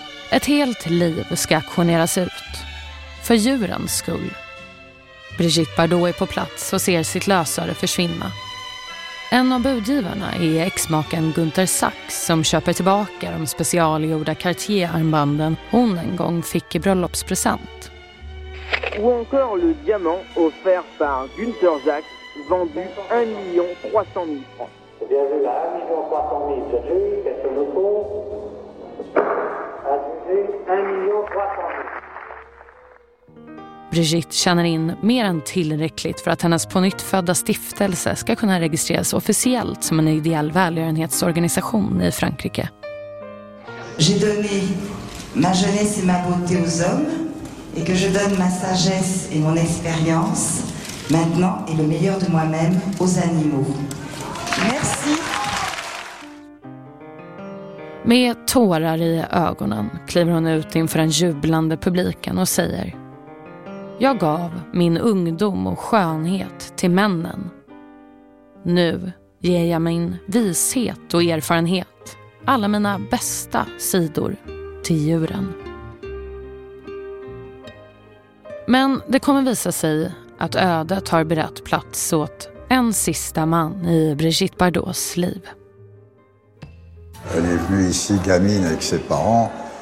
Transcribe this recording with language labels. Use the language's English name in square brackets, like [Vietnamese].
[Swedish] Ett helt liv ska auktioneras ut, för djurens skull. Brigitte Bardot är på plats och ser sitt lösöre försvinna. En av budgivarna är exmaken Gunther Sachs som köper tillbaka de specialgjorda Cartier-armbanden hon en gång fick i bröllopspresent. [French] Ou encore le diamant offert par Gunther Sachs vendu 1 300 000 francs. [Swedish] Brigitte tjänar in mer än tillräckligt för att hennes på nytt födda stiftelse ska kunna registreras officiellt som en ideell välgörenhetsorganisation i Frankrike. [French] J'ai donné ma jeunesse et ma beauté aux hommes et que je donne ma sagesse et mon expérience maintenant et le meilleur de moi-même aux animaux. Merci. [Swedish] Med tårar i ögonen kliver hon ut inför den jublande publiken och säger: jag gav min ungdom och skönhet till männen. Nu ger jag min vishet och erfarenhet, alla mina bästa sidor, till djuren. Men det kommer visa sig att ödet har berett plats åt en sista man i Brigitte Bardots liv. [French] Elle est venue ici gamine avec ses parents.